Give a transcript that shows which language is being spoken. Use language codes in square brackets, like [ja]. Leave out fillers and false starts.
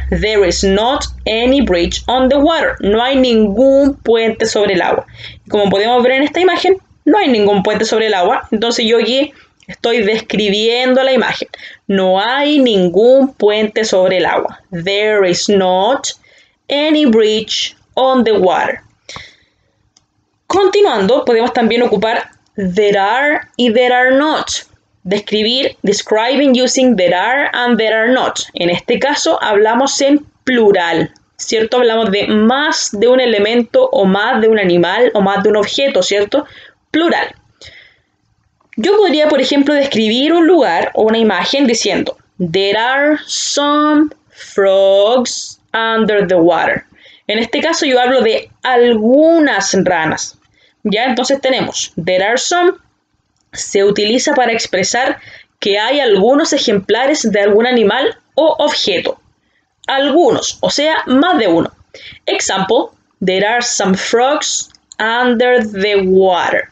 [en] There is not any bridge on the water. [es] No hay ningún puente sobre el agua. Y como podemos ver en esta imagen, no hay ningún puente sobre el agua. Entonces yo aquí estoy describiendo la imagen. No hay ningún puente sobre el agua. [en] There is not any bridge on the water. [es] Continuando, podemos también ocupar [en] there are [es] y [en] there are not. Describir, describing using there are and there are not. [es] En este caso hablamos en plural, ¿cierto? Hablamos de más de un elemento o más de un animal o más de un objeto, ¿cierto? Plural. Yo podría, por ejemplo, describir un lugar o una imagen diciendo [en] there are some frogs under the water. [es] En este caso yo hablo de algunas ranas. Ya, entonces tenemos [en] there are some. [es] Se utiliza para expresar que hay algunos ejemplares de algún animal o objeto. Algunos, o sea, más de uno. [en] Example, there are some frogs under the water.